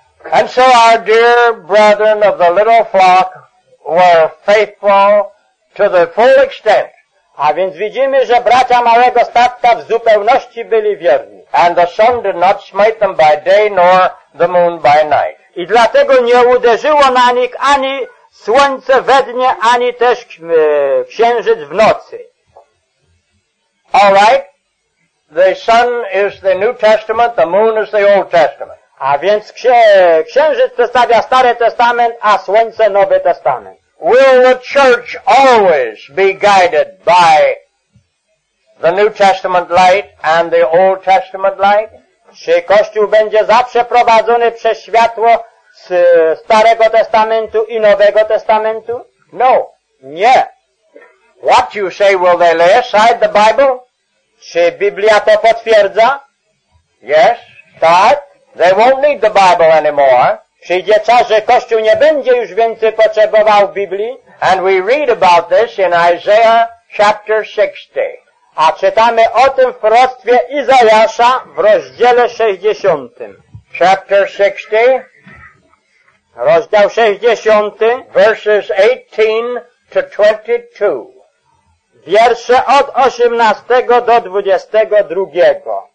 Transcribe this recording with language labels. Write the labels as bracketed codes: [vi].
[en] And so our dear brethren of the little flock were faithful to the full extent. [pl] A więc widzimy, że bracia małego statka w zupełności byli wierni. [en] And the sun did not smite them by day nor the moon by night. [pl] I dlatego nie uderzyło na nich ani słońce we dnie, ani też księżyc w nocy. [en] All right. The sun is the New Testament, the moon is the Old Testament. [pl] A więc księżyc przedstawia Stary Testament, a słońce Nowy Testament. [en] Will the church always be guided by the New Testament light and the Old Testament light? [pl] Czy Kościół będzie zawsze prowadzony przez światło z Starego Testamentu i Nowego Testamentu? [en] No. [pl] Nie. [en] What you say, will they lay aside the Bible? [pl] Czy Biblia to potwierdza? [en] Yes. [pl] Tak. [en] They won't need the Bible anymore. [pl] Przyjdzie czas, że Kościół nie będzie już więcej potrzebował Biblii. [en] And we read about this in Isaiah chapter 60. [pl] A czytamy o tym w proroctwie Izajasza w rozdziale 60. [en] Chapter 60. [pl] Rozdział 60. [en] Verses 18-22. [pl] Wiersze od 18 do 22.